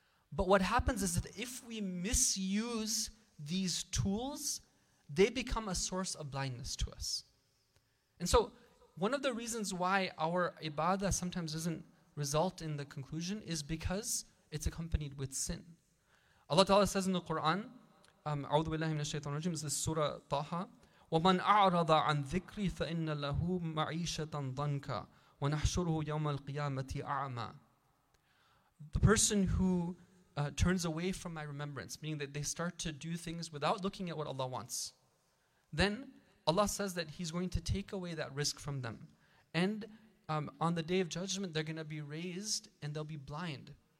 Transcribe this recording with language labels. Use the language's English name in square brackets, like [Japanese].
[English] But what happens is that if we misuse these tools, they become a source of blindness to us. And so, one of the reasons why our ibadah sometimes doesn't result in the conclusion is because it's accompanied with sin. Allah Ta'ala says in the Quran, [Arabic] أَعُوذُ بِاللَّهِ مِنَ الشَّيْطَانِ الرَّجِيمِ, [English] this is Surah Taha, [Arabic] وَمَنْ أَعْرَضَ عَنْ ذِكْرِي فَإِنَّ لَهُ مَعِيشَةً ضَنْكَ وَنَحْشُرُهُ يَوْمَ الْقِيَامَةِ أَعْمَى. [English] The person who turns away from my remembrance, meaning that they start to do things without looking at what Allah wants, then Allah says that He's going to take away that risk from them. And on the day of judgment, they're going to be raised and they'll be blind.